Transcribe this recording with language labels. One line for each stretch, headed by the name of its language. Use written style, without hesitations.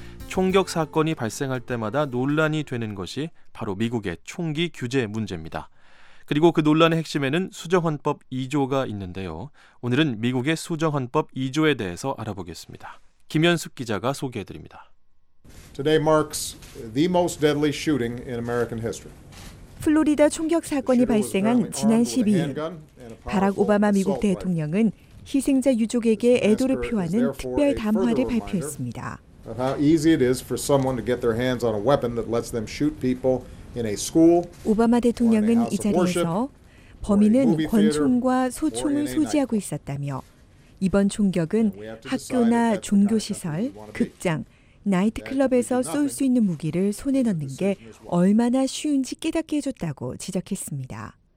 Korean: 총격 사건이 발생할 때마다 논란이 되는 것이 바로 미국의 총기 규제 문제입니다. 그리고 그 논란의 핵심에는 수정헌법 2조가 있는데요. 오늘은 미국의 수정헌법 2조에 대해서 알아보겠습니다. 김현숙 기자가 소개해드립니다.
English: Today marks the most deadly shooting in American history.
Korean: 플로리다 총격 사건이 발생한 지난 12일, 바락 오바마 미국 대통령은 희생자 유족에게 애도를 표하는 특별 담화를 발표했습니다.
English: How easy it is for someone to get their hands on a weapon that lets them shoot people.
Korean: 오바마 대통령은 이 자리에서 범인은 권총과 소총을 소지하고 있었다며 이번 총격은 학교나 종교시설, 극장, 나이트클럽에서 쏠 수 있는 무기를 손에 넣는 게 얼마나 쉬운지 깨닫게 해줬다고 지적했습니다.